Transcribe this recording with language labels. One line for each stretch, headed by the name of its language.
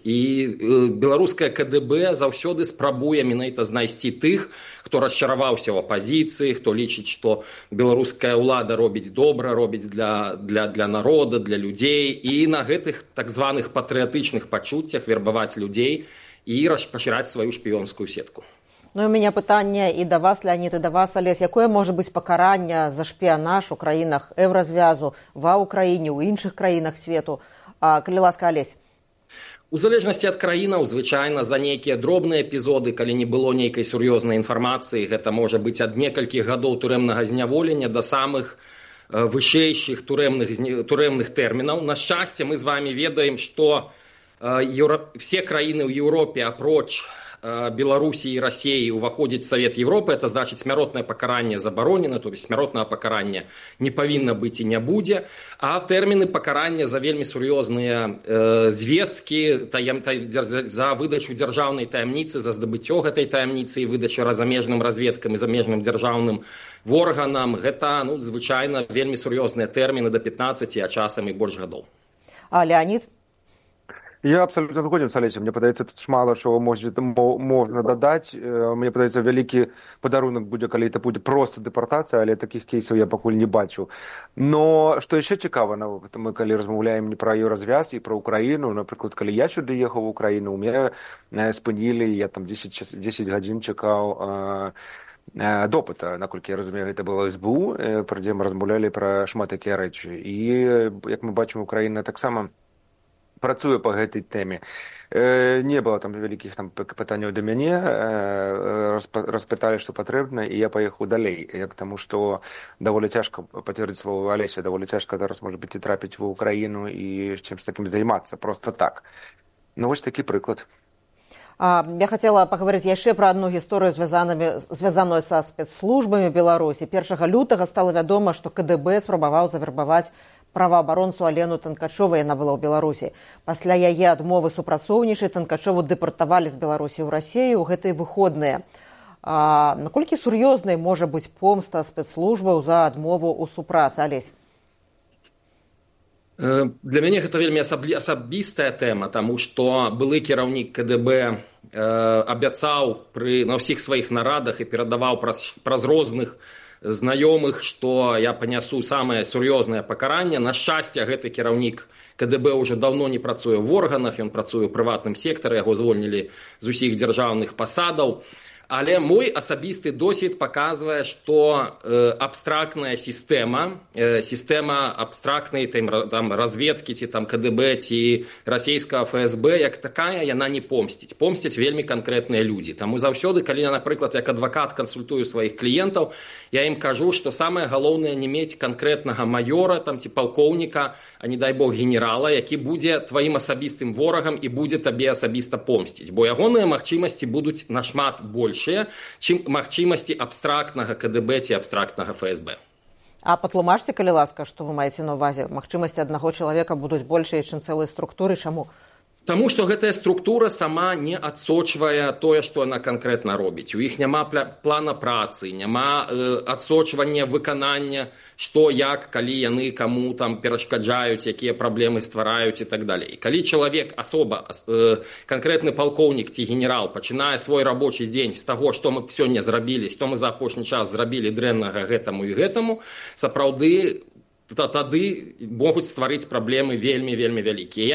Belarusian: І беларуская КДБ заўсёды спрабуе менавіта знайсці тых, хто расчараваўся ў апазіцыі, хто лічыць, што беларуская ўлада робіць добра, робіць для народа, для людзей. І на гэтых так званых патрыятычных пачуццях вербаваць людзей і пашыраць сваю шпіёнскую сетку.
Russian: Ну, у меня пытание и до вас, Леонид, и до вас, Олесь. Какое может быть покарание за шпионаж в Украинах, Евразвязу, в Украине, в інших краинах свету?
Belarusian: Калі ласка, Олесь. У залежнасці ад краінаў, звычайна, за нейкія дробныя эпізоды, калі не было нейкай сур'ёзнай інфармацыі, гэта можа быць ад некалькіх гадоў турэмнага зняволення да самых вышэйшых турэмных тэрмінаў. На шчасце, мы з вамі ведаем, што все краіны ў Еўропе, апроч Беларусі і Расіі, уваходзіць Савет Європы, это значыць смяротнае пакаранне забаронена, то есть смяротнае пакаранне не павінна быць і не будзе, а тэрміны пакарання за вельмі сур'ёзныя звесткі, за выдачу дзяржаўнай таямніцы, за здабыццё гэтай таямніцы і выдачу замежным разведкам і замежным дзяржаўным органам, гэта, ну, звычайна вельмі сур'ёзныя тэрміны, да 15, а часам і больш гадоў.
Ukrainian: А Леонід? Я абсолютно згоден з Олесею. Мені подається, тут шмало що можна додати. Мені подається, великий подарунок буде, коли це буде просто депортація, але таких кейсів я поки не бачу. Но що ще цікаво, ми коли розмовляємо не про її розв'яз і про Україну, наприклад, коли я сюди їхав в Україну, у мене спинили, я там 10 годин чекав допита, наскільки я розумію, це було СБУ, про де ми розмовляли про шмат які речі. І, як ми бачимо, Україна так само працюю по гэтай теме.
Belarusian: Не было там великих там пытанняў до мяне, распыталі, што патрэбна, і я паехаў далей. Я к таму, што даволі цяжка пацвердзіць слова Алеся, даволі цяжка зараз можа быць і трапіць у Украіну і чым з такім займацца, просто так. Ну вось такі прыклад.
Russian: Я хотела поговорить еще про одну историю, связанную со спецслужбами Беларуси. 1 лютого стало известно, что КДБ спробовал завербовать правооборонцу Алену Танкачову, она была в Беларуси. После ее отмовы супрацовничать Танкачову депортовали с Беларуси в Россию в эти выходные. Насколько серьезной может быть помста спецслужбы за отмову у супрацы? Олесь.
Belarusian: Для мяне гэта вельмі асабістая тэма, таму што былы кіраўнік КДБ абяцаў на ўсіх сваіх нарадах і перадаваў праз розных знаёмых, што я панясу самае сур'ёзнае пакаранне. На шчасце, гэты кіраўнік КДБ ўжо даўно не працуе ў органах, ён працуе ў прыватным сектары, яго звольнілі з усіх дзяржаўных пасадаў. Але мой асабісты досвід паказвае, што абстрактная сістэма абстрактнай там разведкі ці там КДБ ці расійскага ФСБ, як такая, яна не помсціць. Помсцяць вельмі канкрэтныя людзі. Таму заўсёды, калі я, напрыклад, як адвакат кансультую сваіх кліентаў, я ім кажу, што самае галоўнае не мець канкрэтнага маёра там ці палкоўніка, а не дай бог генерала, які будзе тваім асабістым ворагам і будзе табе асабіста помсціць, бо ягоныя магчымасці будуць нашмат больш
Russian: большее, чем магчимости абстрактного КДБ и абстрактного ФСБ. А патлумажьте, калі ласка, что вы маете на увазе, магчимости одного человека будут больше, чем целой структуры, чаму?
Belarusian: Таму што гэтая структура сама не адсочвае тое, што яна канкрэтна робіць. У іх няма плана працы, няма адсочвання выканання, што як, калі яны каму там перашкаджаюць, якія праблемы ствараюць і так далей. Калі чалавек, асоба, канкрэтны палкоўнік ці генерал пачынае свой рабочы дзень з таго, што мы сёння зрабілі, што мы за апошні час зрабілі дрэннага гэтаму і гэтаму, сапраўды тады могуць стварыць праблемы вельмі-вельмі вялікія.